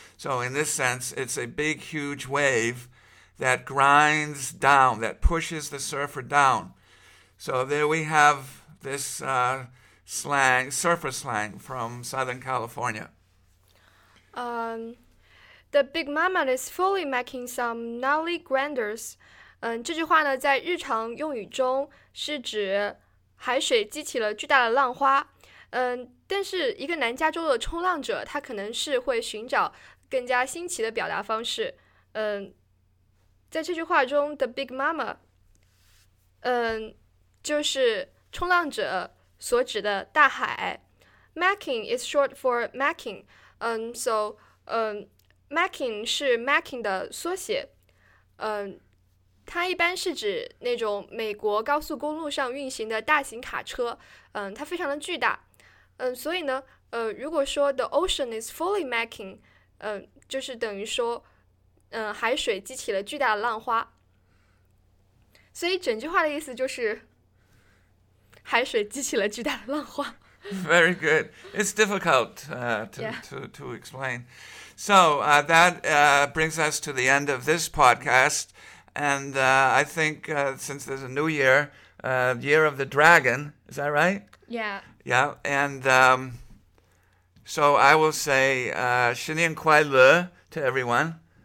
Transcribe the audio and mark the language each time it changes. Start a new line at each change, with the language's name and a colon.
English: So in this sense, it's a big, huge wave that grinds down, that pushes the surfer down. So there we have this slang, surfer slang from Southern California. The big mama is fully making some gnarly grinders.
Chinese: 这句话呢，在日常用语中是指海水激起了巨大的浪花。但是一个南加州的冲浪者，他可能是会寻找更加新奇的表达方式。在这句话中 ，the big mama， 就是冲浪者所指的大海。
English: Macking is short for macking，
Chinese: macking 是 macking 的缩写，它一般是指那种美国高速公路上运行的大型卡车，它非常的巨大，所以呢，如果说
English: the ocean is fully making，
Chinese: 就是等于说，海水激起了巨大的浪花。所以整句话的意思就是，海水激起了巨大的浪花。
English: Very good. It's difficult to explain. So that brings us to the end of this podcast. And I think since there's a new year, year of the dragon, is that right? Yeah. Yeah, and so I will say
Chinese: 新年快乐
English: to everyone.